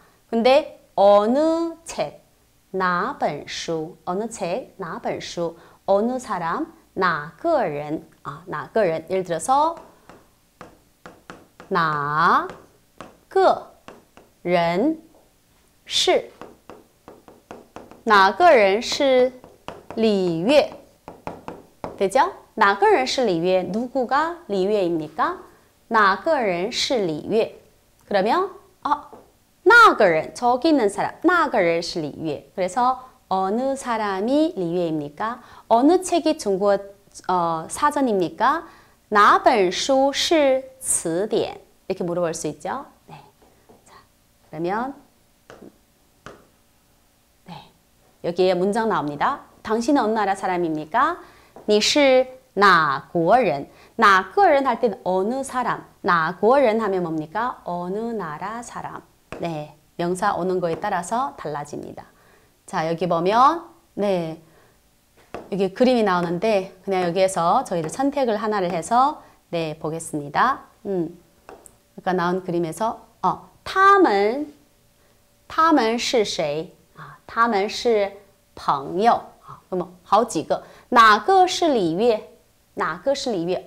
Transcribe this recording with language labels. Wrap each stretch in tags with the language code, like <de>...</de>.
<ko>근데 어느 책</ko> <zh>哪本书</zh> <ko>어느 책 哪本书 어느 사람</ko> <zh>哪个人 哪个人</zh> <ko>예를 들어서 나</ko> <zh>个人是哪个人是李月</zh> <ko>되죠?</ko> <zh>哪个人是李月</zh> <ko>누구가 李月입니까?哪个人是李月 그러면 那个人 저기 있는 사람</ko> <zh>那个人是李月</zh> <ko>그래서 어느 사람이 李月입니까? 어느 책이 중국 사전입니까?</ko> <zh>哪本书是词典</zh> <ko>이렇게 물어볼 수 있죠? 그러면 네. 여기에 문장 나옵니다. 당신은 어느 나라 사람입니까?</ko> <zh>你是哪国人? 哪个人</zh> <ko>할 때는 어느 사람?</ko> <zh>哪国人</zh> <ko>하면 뭡니까? 어느 나라 사람. 네. 명사 오는 거에 따라서 달라집니다. 자, 여기 보면 네. 여기 그림이 나오는데 그냥 여기에서 저희들 선택을 하나를 해서 네, 보겠습니다. 아까 나온 그림에서</ko> <zh>他们是谁?他们是朋友。那么好几个。哪个是李月?哪个是李月?</zh>